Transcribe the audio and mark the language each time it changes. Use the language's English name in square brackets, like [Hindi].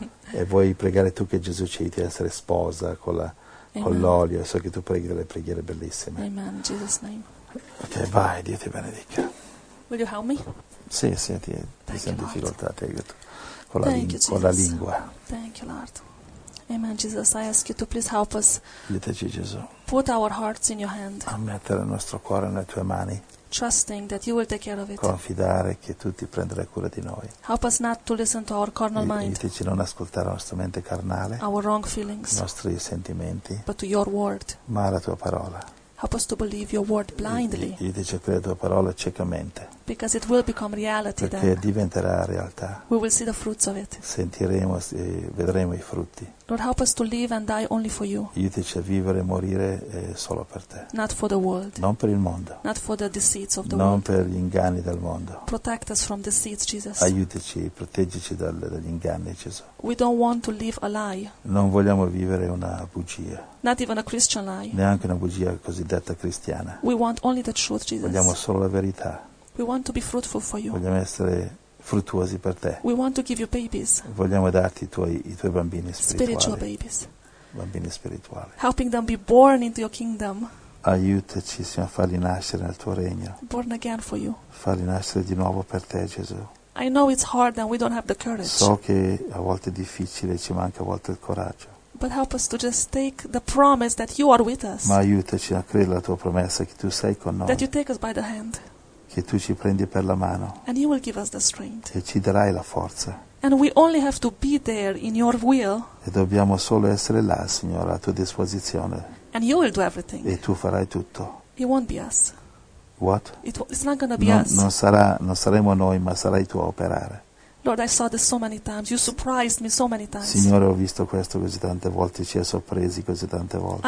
[Italian] E vuoi pregare tu che Gesù ci aiuti a essere sposa con l'olio. So che tu preghi delle preghiere bellissime. [English] Amen, in Jesus' name. [Italian] Ok, vai, Dio ti benedica. [English] Will you help me? [Italian] Sì, sì, ti sento in difficoltà, ti aiuto. Con la, [English] Jesus. [Italian] Con la lingua. [English] Thank you, Lord. Amen, Jesus, I ask you to please help us. [Italian] Diteci, Gesù. [English] Put our hearts in your hand. [Italian] A mettere il nostro cuore nelle tue mani. [English] Trusting that you will take care of it. [Italian] Confidare che tu ti prenderai cura di noi. [English] Help us not to listen to our carnal mind. [Italian] Diteci non ascoltare la nostra mente carnale. [English] Our wrong feelings. [Italian] I nostri sentimenti. [English] But to your word. [Italian] Ma alla tua parola. [English] Help us to believe your word blindly. [Italian] Diteci credere la tua parola ciecamente. [English] Because it will become reality [Italian] perché [English] then. [Italian] Perché diventerà realtà. [English] We will see the fruits of it. [Italian] Sentiremo e vedremo i frutti. [English] Lord, help us to live and die only for you. [Italian] Aiutaci a vivere e morire solo per te. [English] Not for the world. [Italian] Non per il mondo. [English] Not for the deceits of the [Italian] non [English] world. [Italian] Per gli inganni del mondo. [English] Protect us from deceits, Jesus. [Italian] Aiutaci, proteggici dagli inganni, Gesù. [English] We don't want to live a lie. [Italian] Non vogliamo vivere una bugia. [English] Not even a Christian lie. [Italian] Neanche una bugia cosiddetta cristiana. [English] We want only the truth, Jesus. [Italian] Vogliamo solo la verità. [English] We want to be fruitful for you. [Italian] Vogliamo essere fruttuosi per te. [English] We want to give you babies. [Italian] Vogliamo darti i tuoi bambini spirituali. [English] Spiritual babies. [Italian] Bambini spirituali. [English] Helping them be born into your kingdom. [Italian] Aiutaci, Signore, a farli nascere nel tuo regno. [English] Born again for you. [Italian] Farli nascere di nuovo per te, Gesù. [English] I know it's hard and we don't have the courage. [Italian] So che a volte è difficile, ci manca a volte il coraggio. [English] But help us to just take the promise that you are with us. [Italian] Ma aiutaci a credere la tua promessa che tu sei con noi. [English] That you take us by the hand. [Italian] Che tu ci prendi per la mano. [English] And you will give us the strength. [Italian] E ci darai la forza. [English] And we only have to be there in your will. [Italian] E dobbiamo solo essere là, Signore, a tua disposizione. [English] And you will do everything. [Italian] E tu farai tutto. [English] It won't be us. What? It's not gonna be us. [Italian] Non saremo noi, ma sarai tu a operare. [English] Lord, I saw this so many times. You surprised me so many times. [Italian] Signore, ho visto questo così tante volte, ci hai sorpresi così tante volte.